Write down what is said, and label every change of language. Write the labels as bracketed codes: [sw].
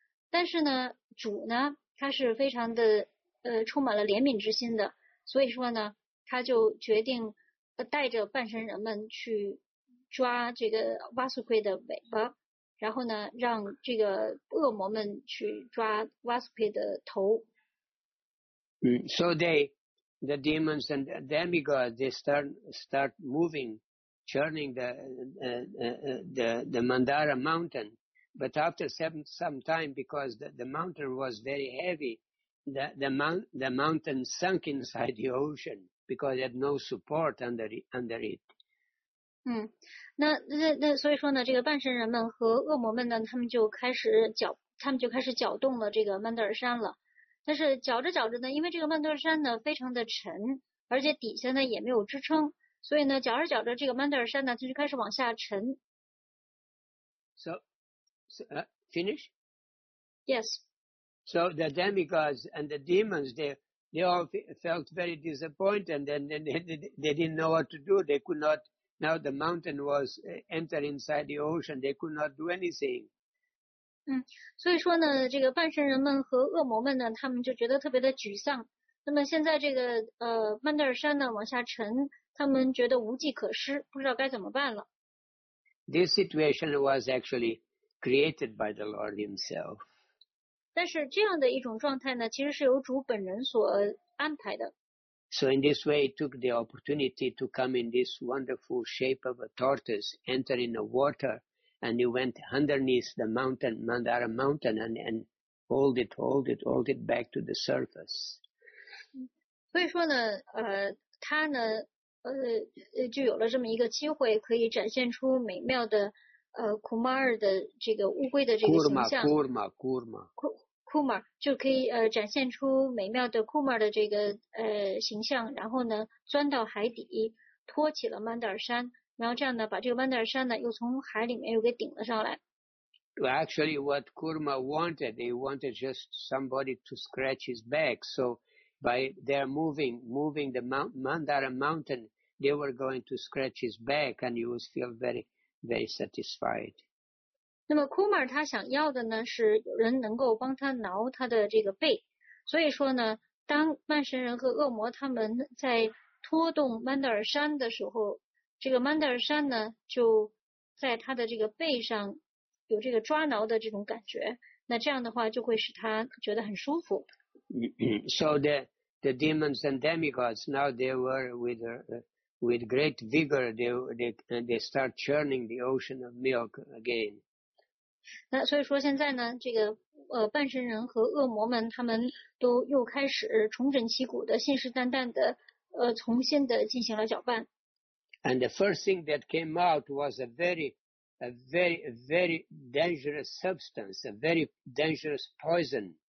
[zh] 但是呢，主呢，他是非常的充满了怜悯之心的，所以说呢，他就决定带着半神人们去抓这个瓦苏奎的尾巴，然后呢，让这个恶魔们去抓瓦苏奎的头。 [en] So the demons and the demigods, they start moving, churning the Mandara mountain, but after some time, because the mountain was very heavy, the mountain sunk inside the ocean because it had no support under it. [zh] 那所以说呢，这个半神人们和恶魔们呢，他们就开始搅动了这个曼德尔山了。但是搅着搅着呢，因为这个曼德尔山呢非常的沉，而且底下呢也没有支撑，所以呢搅着搅着这个曼德尔山呢就开始往下沉。 [en] So finish? Yes. So the demigods and the demons, they all felt very disappointed, and then they didn't know what to do. They could not, now the mountain was entered inside the ocean, they could not do anything. [zh] 所以说呢，这个半神人们和恶魔们呢，他们就觉得特别的沮丧。那么现在这个曼德尔山呢往下沉，他们觉得无计可施，不知道该怎么办了。 [en] This situation was actually created by the Lord himself. [zh] 但是这样的一种状态呢，其实是由主本人所安排的。 [en] So in this way, he took the opportunity to come in this wonderful shape of a tortoise, enter in the water, and he went underneath the mountain, Mandara mountain, and hold it back to the surface. [zh] 所以说呢，他呢，就有了这么一个机会，可以展现出美妙的。 Kumar 的这个乌龟的这个形象 Kumar 就可以展现出美妙的 Kumar 的这个形象，然后呢钻到海底，托起了曼德尔山，然后这样呢把这个曼德尔山呢又从海里面又给顶了上来。 [en] Well, actually what Kumar wanted, he wanted just somebody to scratch his back, so by their moving the Mandara mountain, they were going to scratch his back, and he was feel very satisfied. [zh] 那么 Kumar 他想要的呢是有人能够帮他挠他的这个背，所以说呢当曼神人和恶魔他们在拖动曼德尔山的时候，这个曼德尔山呢就在他的这个背上有这个抓挠的这种感觉，那这样的话就会使他觉得很舒服。 [en] So the demons and demigods, now they were with great vigor, they start churning the ocean of milk again. [zh] 那所以说现在呢，这个半神人和恶魔们他们都又开始重整旗鼓的，信誓旦旦的重新的进行了搅拌。 [en] And the first thing that came out was a very dangerous substance, a very dangerous poison.